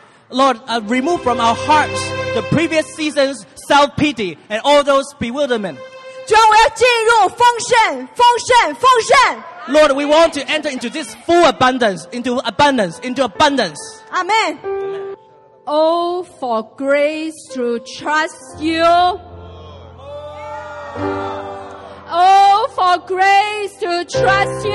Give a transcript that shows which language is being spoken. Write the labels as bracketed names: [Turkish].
[English] Lord, remove from our hearts the previous season's self-pity and all those bewilderment. [Chinese] 主啊,我要进入丰盛,丰盛,丰盛! [English] Lord, we want to enter into this full abundance, into abundance, into abundance. Amen. Oh, for grace to trust you. Oh, for grace to trust you.